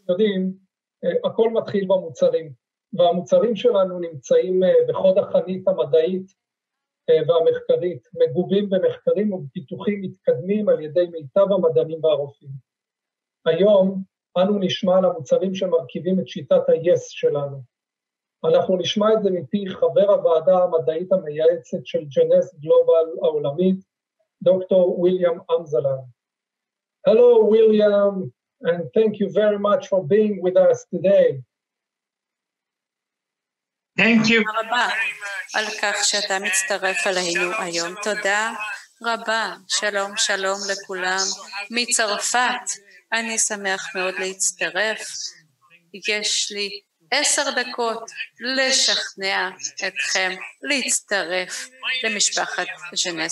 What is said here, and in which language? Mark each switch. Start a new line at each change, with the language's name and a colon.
Hebrew: יודעים, הכל מתחיל במוצרים, והמוצרים שלנו נמצאים בחוד החנית המדעית והמחקרית, מגובים במחקרים ופיתוחים מתקדמים על ידי מיטב המדענים והרופאים. היום אנו נשמע על המוצרים שמרכיבים את שיטת ה-YES שלנו. אנחנו נשמע את זה מפי חבר הוועדה המדעית המייעצת של ג'נס גלובל העולמית, דוקטור ויליאם אמזלן.
English: Hello, William, and thank you very much for being with us today. Thank you.
Hebrew: רבה על כך שאתה מצטרף אלינו היום. תודה רבה. שלום שלום לכולם מצרפת. אני שמח מאוד להצטרף. יש לי 10 דקות לשכנע אתכם להצטרף למשפחת ג'נס.